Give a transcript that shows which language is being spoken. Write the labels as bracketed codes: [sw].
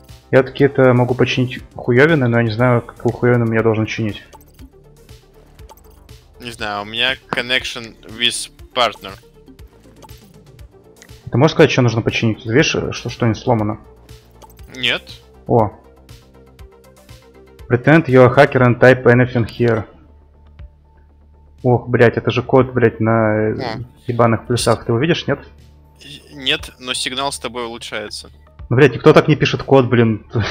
[ru] Я какие-то могу починить хуёвины, но я не знаю, какую хуёвину я должен чинить. Не знаю, у меня [en] connection with partner. [ru] Ты можешь сказать, что нужно починить? Видишь, что что-нибудь сломано? Нет. О. [en] Pretend you're a hacker and type anything here. [ru] Ох, блять, это же код, блять, на ебаных плюсах. Ты его видишь, нет? Нет, но сигнал с тобой улучшается. Ну, блять, никто так не пишет код, блин.